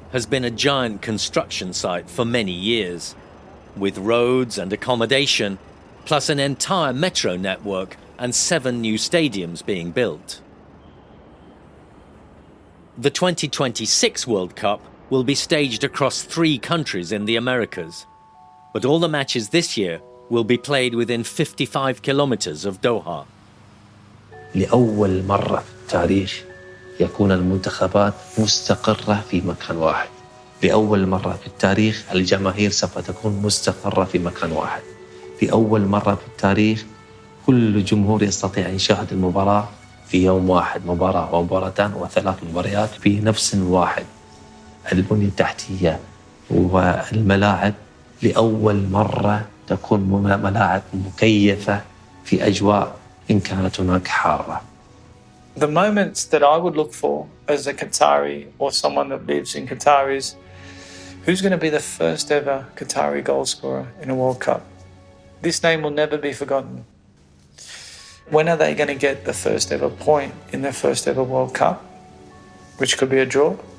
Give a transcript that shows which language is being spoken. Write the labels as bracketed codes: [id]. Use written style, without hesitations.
[en] has been a giant construction site for many years, with roads and accommodation, plus an entire metro network and seven new stadiums being built. The 2026 World Cup will be staged across three countries in the Americas, but all the matches this year will be played within 55 kilometers of Doha. [ar] لأول مرة في التاريخ يكون المنتخبات مستقرة في مكان واحد. لأول مرة في التاريخ الجماهير سوف تكون مستقرة في مكان واحد. لأول مرة في التاريخ كل جمهور يستطيع أن يشاهد المباراة في يوم واحد، مباراة ومباراتان وثلاث مباريات في نفس واحد. البنية التحتية والملاعب لأول مرة تكون ملاعب مكيفة في أجواء إن كانت هناك حارة. [en] The moments that I would look for as a Qatari or someone that lives in Qatar is who's going to be the first ever Qatari goal scorer in a World Cup? This name will never be forgotten. When are they going to get the first ever point in their first ever World Cup, which could be a draw?